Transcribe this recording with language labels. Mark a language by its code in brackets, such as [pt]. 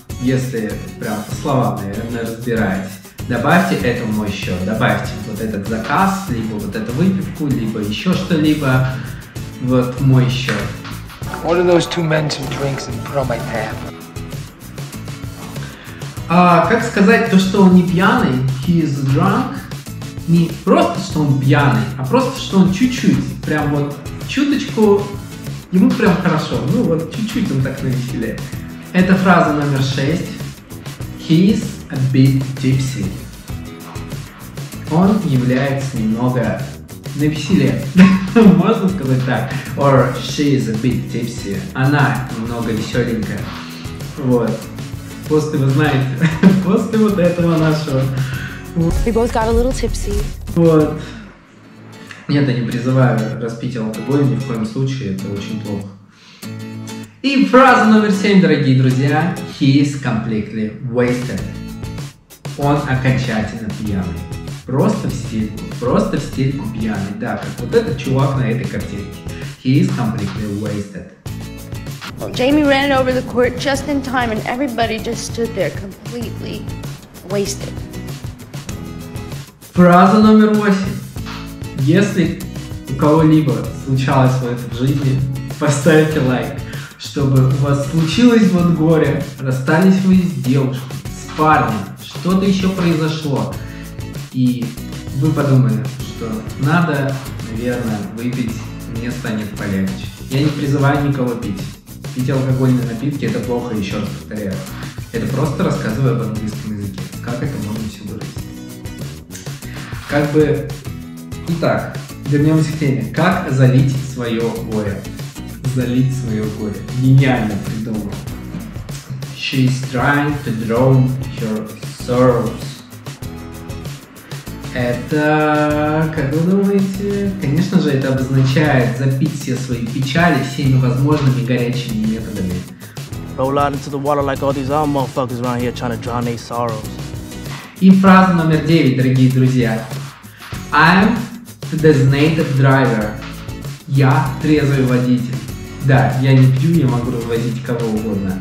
[ru] Если прям по словам, наверное, разбираетесь. Добавьте это в мой счет. Добавьте вот этот заказ, либо вот эту выпивку, либо еще что-либо. Вот в мой счет. [en] What are those two mentioned drinks and put on my tab? [ru] Как сказать то, что он не пьяный? [en] He is drunk. [ru] Не просто, что он пьяный, а просто, что он чуть-чуть, прям вот чуточку... Ему прям хорошо, ну вот чуть-чуть он так навеселе. Это фраза номер шесть. [en] He's a bit tipsy. [ru] Он является немного навеселе. Можно сказать так. [en] Or she's a bit tipsy. [ru] Она немного веселенькая. Вот. После, вы знаете, после вот этого нашего. [en] We both got a little tipsy. [ru] Вот. Нет, я не призываю распить алкоголь, ни в коем случае, это очень плохо. И фраза номер семь, дорогие друзья. [en] He is completely wasted. [ru] Он окончательно пьяный. Просто в стильку пьяный. Да, как вот этот чувак на этой картинке. [en] He is completely wasted. Well, Jamie ran over the court just in time, and everybody just stood there completely wasted. [ru] Фраза номер восемь. Если у кого-либо случалось вот в жизни, поставьте лайк, чтобы у вас случилось вот горе, расстались вы с девушкой, с парнем, что-то еще произошло, и вы подумали, что надо, наверное, выпить, мне станет полегче. Я не призываю никого пить. Пить алкогольные напитки – это плохо, еще раз повторяю. Это просто рассказываю об английском языке, как это можно все выразить. Как бы... Итак, вернемся к теме. Как залить свое горе? Залить свое горе. Гениально придумал. [en] She's trying to drown her sorrows. [ru] Это, как вы думаете, конечно же, это обозначает запить все свои печали всеми возможными горячими методами. [en] Roll out into the water like all these other motherfuckers around here trying to drown their sorrows. [ru] И фраза номер 9, дорогие друзья. [en] I'm the designated driver. [ru] Я трезвый водитель. Да, я не пью, я могу разводить кого угодно.